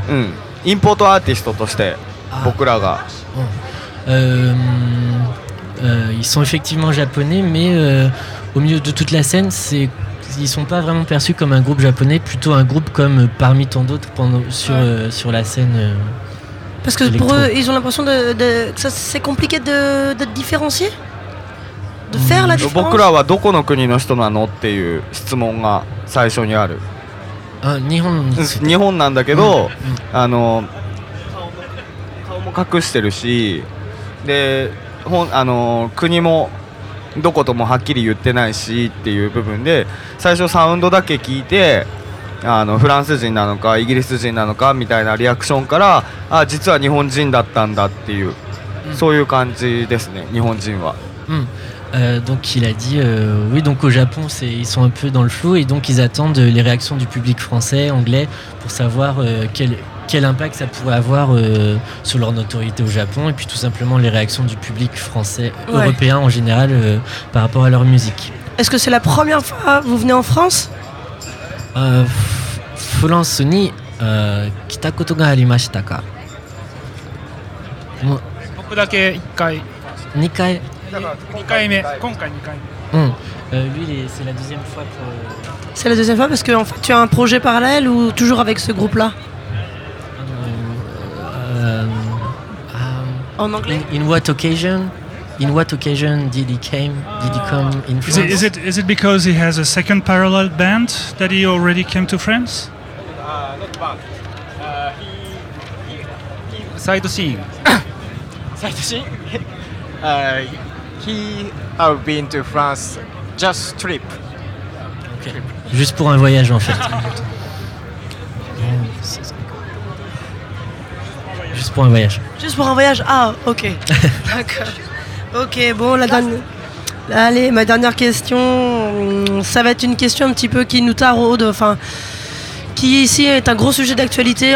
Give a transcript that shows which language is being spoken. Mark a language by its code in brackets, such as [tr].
[ja] うん、インポートアーティストとして僕らが。 [fr] ils sont effectivement japonais, mais au milieu de toute la scène, ils sont pas vraiment perçus comme un groupe japonais, plutôt un groupe comme parmi tant d'autres sur la scène. Parce que pour eux, ils ont l'impression de que ça, c'est compliqué de différencier, de faire la différence. [ja] 僕らはどこの国の人なのっていう質問が最初にある。あ、日本。日本なんだけど、あの顔も隠してるし、で、あの国もどこともはっきり言ってないしっていう部分で、最初サウンドだけ聞いて。あのフランス人なのかイギリス人なのかみたいなリアクションから、あ、実は日本人だったんだっていう、そういう感じですね、日本人は。 [fr] donc il a dit oui, donc au Japon c'est ils sont un peu dans le flou et donc ils attendent les réactions du public français, anglais pour savoir quel impact ça pourrait avoir sur leur notoriété au Japon et puis tout simplement les réactions du public français européen en général par rapport à leur musique. Est-ce que c'est la première fois que vous venez en France? [ja] フランスに来たことがありましたか？僕だけ1回。 2回。だから 2回目。今回2回目。うん。 [fr] lui, c'est la deuxième fois pour... C'est la deuxième fois parce que en fait, tu as un projet parallèle ou toujours avec ce groupe-là? En anglais? [en] In what occasion? In what occasion did he came? Did he come in France? Is it because he has a second parallel band that he already came to France? Not band. He side scene. Side scene. he have been to France just trip. Okay. [fr] Juste pour un voyage en fait. Juste pour un voyage. Juste pour un voyage. Ah, okay. D'accord. Ok, bon, allez, ma dernière question, ça va être une question un petit peu qui nous taraude, enfin, qui ici est un gros sujet d'actualité.